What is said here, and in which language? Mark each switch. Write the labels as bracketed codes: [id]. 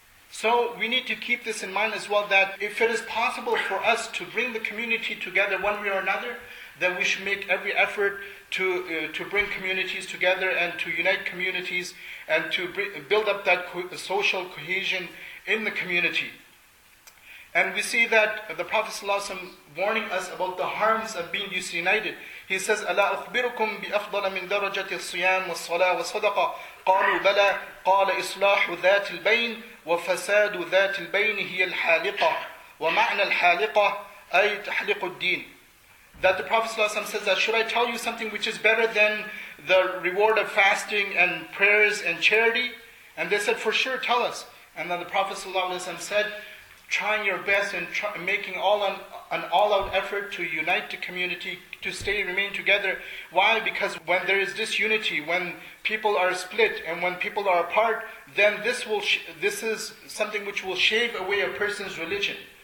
[en] So we need to keep this in mind as well, that if it is possible for us to bring the community together one way or another, then we should make every effort to bring communities together and to unite communities and to build up that social cohesion in the community. And we see that the Prophet ﷺ warning us about the harms of being disunited. He says, [ar] أَلَا أُخْبِرُكُمْ بِأَفْضَلَ مِنْ دَرَجَةِ الصِّيَامِ وَالصَّلَاةِ وَالصَّدَقَةِ قَالُوا بَلَى قَالَ إِصْلَاحُ ذَاتِ الْبَيْنِ وَفَسَادُ ذَاتِ الْبَيْنِ هِيَ الْحَالِقَةِ وَمَعْنَى الْحَالِقَةِ أَيْ تَحْلِقُ الدِّينِ [en] That the Prophet ﷺ says that, should I tell you something which is better than the reward of fasting and prayers and charity? And they said, for sure, tell us. And then the Prophet ﷺ said, trying your best and making an all-out effort to unite the community, to stay and remain together. Why? Because when there is disunity, when people are split and when people are apart, then this is something which will shave away a person's religion.